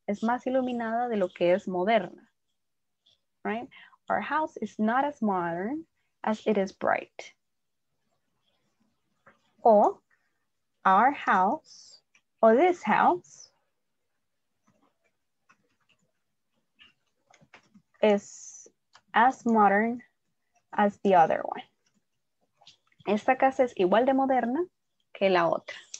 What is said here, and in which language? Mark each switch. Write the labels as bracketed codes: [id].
[es] Es más iluminada de lo que es moderna, right? [en] Our house is not as modern as it is bright. O, our house, o this house, is as modern as the other one. [es] Esta casa es igual de moderna que la otra.